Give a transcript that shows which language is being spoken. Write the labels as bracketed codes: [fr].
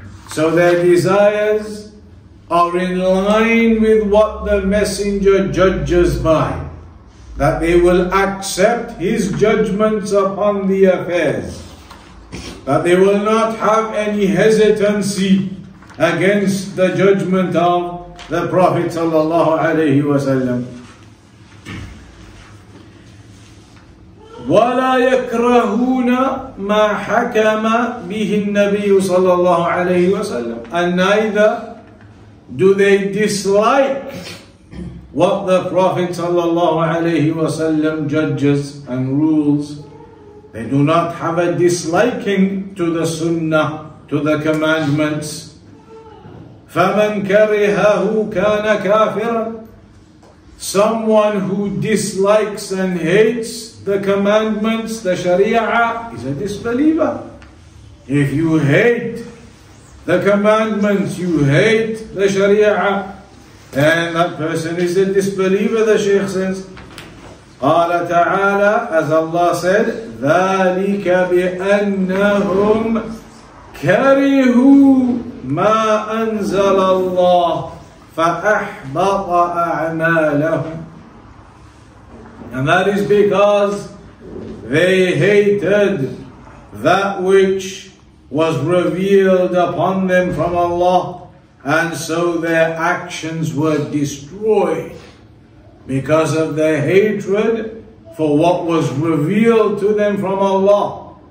[en] So their desires are in line with what the messenger judges by, that they will accept his judgments upon the affairs, that they will not have any hesitancy against the judgment of the Prophet sallallahu alayhi wa sallam. [ar] ولا يكرهون ما حكم به النبي صلى الله عليه وسلم. [en] And neither do they dislike what the Prophet صلى الله عليه وسلم judges and rules. They do not have a disliking to the sunnah, to the commandments. [ar] فَمَنْ كَرِهَهُ كَانَ كَافِرًا. [en] Someone who dislikes and hates the commandments, the sharia, is a disbeliever. If you hate the commandments, you hate the sharia, then that person is a disbeliever, the Shaykh says. [ar] قال تعالى, [en] as Allah said, [ar] ذلك بأنهم كرهوا ما أنزل الله فأحبط أعمالهم. [en] And that is because they hated that which was revealed upon them from Allah, and so their actions were destroyed because of their hatred for what was revealed to them from Allah.